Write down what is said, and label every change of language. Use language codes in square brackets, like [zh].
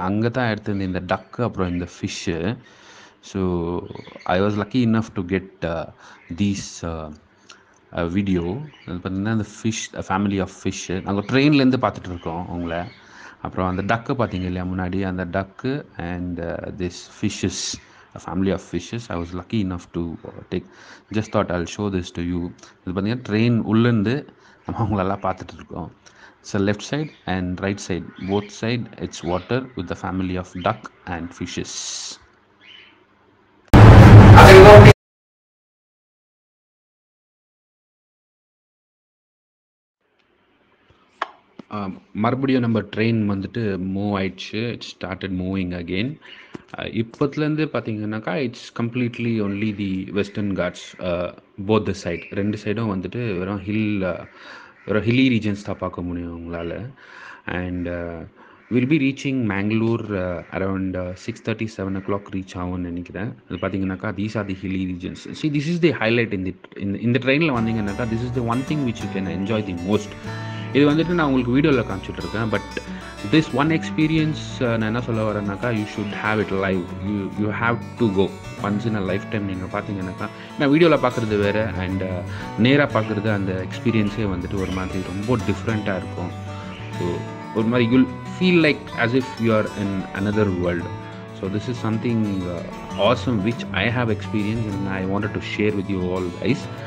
[ta] அங்கே தான் எடுத்திருந்த இந்த டக் அப்புறம் இந்த fish. [en] So I was lucky enough to get these video. [ta] அது பார்த்திங்கன்னா இந்த ஃபிஷ் ஃபேமிலி ஆஃப் ஃபிஷ்ஷு நாங்கள் ட்ரெயின்லேருந்து பார்த்துட்டு இருக்கோம் உங்களை. அப்புறம் அந்த டக்கு பார்த்தீங்க இல்லையா முன்னாடி, அந்த டக்கு and this fishes, [en] a family of fishes. I was lucky enough to take, just thought I'll show this to you. [ta] இது பார்த்திங்க ட்ரெயின் உள்ளேருந்து நம்ம அவங்களெல்லாம் பார்த்துட்டு இருக்கோம். [en] So left side and right side both side it's water with the family of duck and fishes. [ta] மறுபடியும் நம்ம train வந்துட்டு மூவ் ஆயிடுச்சு. [en] It's started moving again. [ta] இப்போத்துலேருந்து பார்த்தீங்கன்னாக்கா [en] It's completely only the western Ghats both the side. [ta] ரெண்டு சைடும் வந்துட்டு வெறும் hill, வெறும் ஹில்லி ரீஜன்ஸ் தான் பார்க்க முடியும் உங்களால். [en] and will be reaching Mangalore around 6:30-7 o'clock [ta] reach ஆகும்னு நினைக்கிறேன். அது பார்த்தீங்கன்னாக்கா [en] These are the hilly regions. See this is the highlight [ta] இந்த ட்ரெயினில் வந்தீங்கன்னாக்கா [en] This is the one thing which you can enjoy the most. [ta] இது வந்துட்டு நான் உங்களுக்கு வீடியோவில் காமிச்சிட்ருக்கேன். பட் [en] this one experience [ta] நான் என்ன சொல்ல வரேன்னாக்கா, [en] you should have it live. you have to go once in a lifetime. [ta] நீங்கள் பார்த்தீங்கன்னாக்கா நான் வீடியோவில் பார்க்குறது வேறு அண்ட் நேராக பார்க்குறது அந்த எக்ஸ்பீரியன்ஸே வந்துட்டு ஒரு மாதிரி ரொம்ப டிஃப்ரெண்ட்டாக இருக்கும். [en] So ஒரு மாதிரி you'll feel like as if you are in another world. So this is something awesome which I have experience and I wanted to share with you all guys.